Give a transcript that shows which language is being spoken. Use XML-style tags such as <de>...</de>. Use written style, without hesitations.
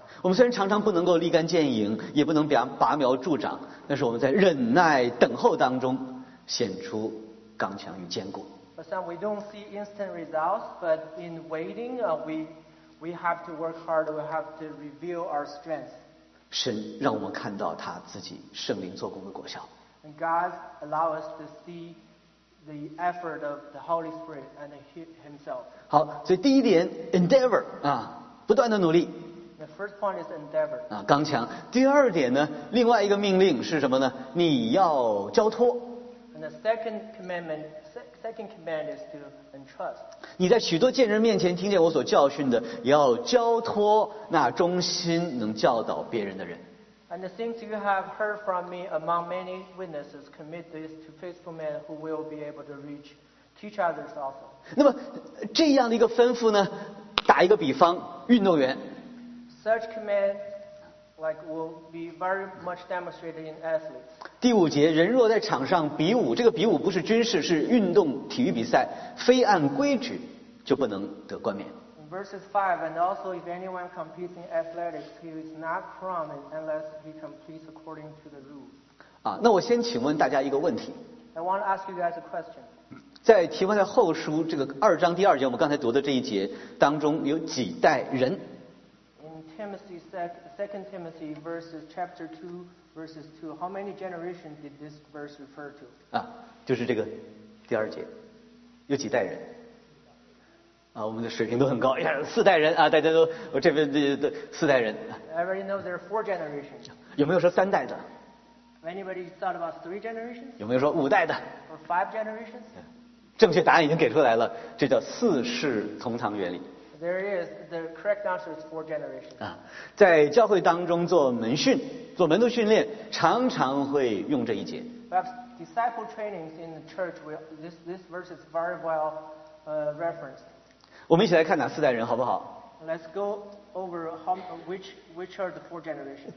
<zh>我们虽然常常不能够立竿见影，也不能拔苗助长，但是我们在忍耐等候当中显出刚强与坚固。</zh> <en>But some we don't see instant results, but in waiting, we We have to work hard. We have to reveal our strength.</en> <zh>神让我们看到他自己圣灵做工的果效。</zh> <en>And God allow us to see the effort of the Holy Spirit and Himself.</en> <zh>好，所以第一点 ，endeavor 啊，不断的努力。</zh> <en>The first point is endeavor.</en> <zh>啊，刚强。第二点呢，另外一个命令是什么呢？你要交托。</zh> <en>And the second command is to entrust.</en> <zh>你在许多见人面前听见我所教训的，要交托那忠心能教导别人的人。</zh> <en>And the things you have heard from me among many witnesses, commit this to faithful men who will be able to reach teach others also.</en> <zh>那么这样的一个吩咐呢，打一个比方，运动员。</zh> <en>Such command like will be very much demonstrated in athletes.</en> <zh>第五节，人若在场上比武，这个比武不是军事，是运动体育比赛，非按规矩就不能得冠冕。</zh> <en>Verses 5, and also if anyone competes in athletics, he is not crowned unless he competes according to the rules.</en> <zh>啊，那我先请问大家一个问题。</zh> <en>I want to ask you guys a question.</en> <zh>在提摩太后书这个二章第二节，我们刚才读的这一节当中有几代人？</zh> <en>In Timothy, Second Timothy, verses chapter 2, verses 2, how many generations did this verse refer to?</en> <zh>啊，就是这个第二节，有几代人？啊，我们的水平都很高，呀，四代人啊，大家都，我这边的四代人。</zh> <en>Everybody knows there are four generations.</en> <zh>有没有说三代的</zh> <en>？Anybody thought about three generations?</en> <zh>有没有说五代的</zh> <en>？Or five generations?</en> <zh>正确答案已经给出来了，这叫四世同堂原理。</zh> <en>There is the correct answer is four generations.</en> <zh>啊，在教会当中做门训、做门徒训练，常常会用这一节。</zh> <en>But disciple trainings in the church, this verse is very well referenced.</en> <zh>我们一起来看哪四代人好不好</zh> <en>？Let's go over which are the four generations.</en>